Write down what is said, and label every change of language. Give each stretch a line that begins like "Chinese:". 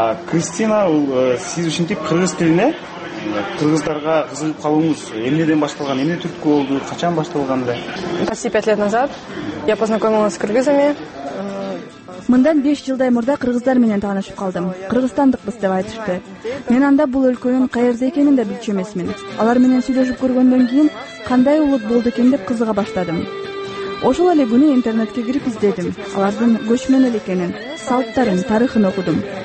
Kyrgyz: Кристина, сиз ушинтип кыргыз тилине, кыргыздарга кызыгып калууңуз эмнеден башталган, эмне түрткү болду, качан башталган эле?
Russian: Почти 5 лет назад я познакомилась с кыргызами.
Kyrgyz: Мындан 5 жылдай мурда кыргыздар менен таанышып калдым. Кыргызстандыкпыз деп айтышты. Мен анда бул өлкөнүн кайерде экенин да билчү эмесмин. Алар менен сүйлөшүп көргөндөн кийин кандай улут болду экен деп кызыга баштадым. Ошол эле күнү интернетке кирип издедим. Алардын көчмөн эл экенин, салттарын, тарыхын окудум.